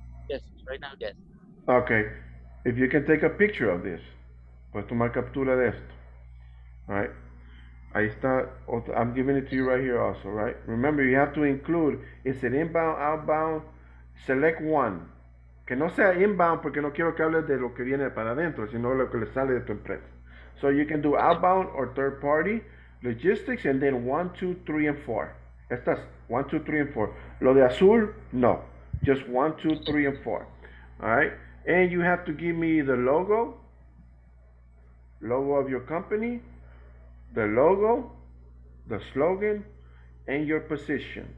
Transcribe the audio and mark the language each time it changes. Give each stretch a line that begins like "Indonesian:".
English: Yes, right now, yes. Okay, if you can take a picture of this.
Spanish: Puedes tomar captura de esto.
English: Alright.
Spanish: Ahí está.
English: I'm giving it to you right here also, right? Remember, you have to include, is it inbound, outbound? Select one.
Spanish: Que no sea inbound porque no quiero que hables de lo que viene para adentro, sino lo que le sale de tu empresa.
English: So you can do outbound or third party, logistics, and then 1, 2, 3, and 4.
Spanish: Estas, 1, 2, 3, and 4. Lo de azul, no.
English: Just 1, 2, 3, and 4. Alright. And you have to give me the logo. Logo of your company, the logo, the slogan, and your position.